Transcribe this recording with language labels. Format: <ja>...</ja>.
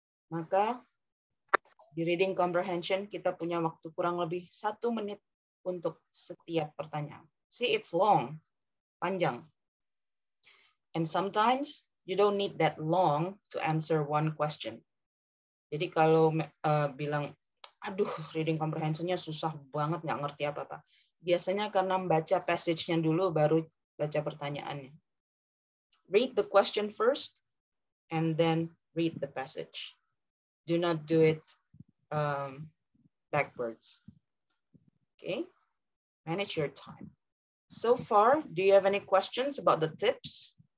<id>Maka di reading comprehension kita punya waktu kurang lebih 1 menit untuk setiap pertanyaan.</id> <en>See, it's long, panjang. And sometimes you don't need that long to answer one question.</en> <id>Jadi kalau bilang, aduh, reading comprehensionnya susah banget, nggak ngerti apa-apa. Biasanya karena membaca passage-nya dulu, baru baca pertanyaannya.</id> <en>Read the question first, and then read the passage. Do not do it backwards. Okay? Manage your time. So far, do you have any questions about the tips?</en>